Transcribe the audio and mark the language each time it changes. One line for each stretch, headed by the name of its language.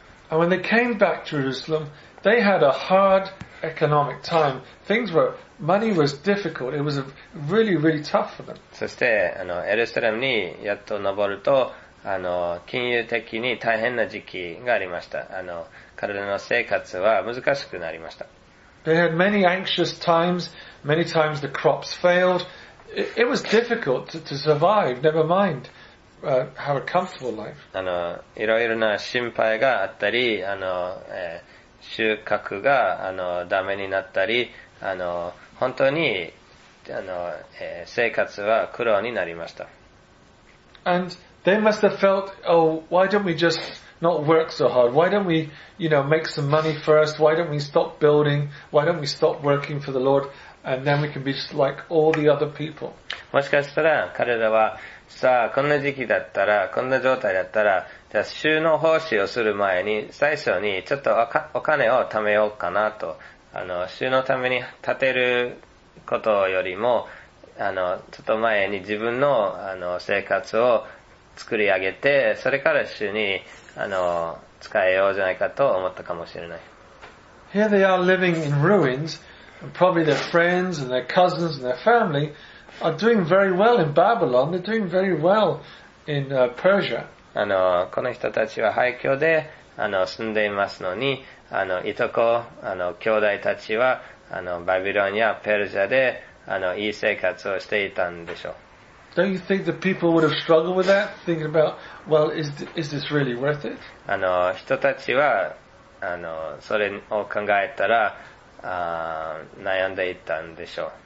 English: And when they came back to Jerusalem, they had a hard economic time. Things were, money was difficult. It was really, really tough for them.
Japanese: そして、エルサレムにやっと登ると、金融的に大変な時期がありました。彼らの生活は難しくなりました。
English: They had many anxious times. Many times the crops failed. It was difficult to survive. Never mind. Have a comfortable life.
Japanese: いろいろな心配があったり、収穫がダメになったり、本当に生活は苦労になりました。
English: And they must have felt, oh, why don't we just not work so hard? Why don't we, you know, make some money first? Why don't we stop building? Why don't we stop working for the Lord? And then we can be just like all the other people.
Japanese: もしかしたら彼らはさあこんな時期だったらこんな状態だったら。じゃあ収納奉仕をする前に最初にちょっと お金を貯めようかなと収納のために立てることよりもちょっと前に自分の生活を作り上げてそれから収に使えようじゃないかと思ったかもしれない。
English: Here they are living in ruins, and probably their friends and their cousins and their family are doing very well in Babylon, they're doing very well in Persia.
Japanese: あの、この人たちは廃墟で、あの、住んでいますのに、あの、いとこ、あの、兄弟たちは、あの、バビロンやペルシャで、あの、いい生活をしていたんでしょう。
English: Don't you think the people would have struggled with that? Thinking about, well, is this really worth it?
Japanese: あの、人たちは、あの、それを考えたら、あ、悩んでいたんでしょう。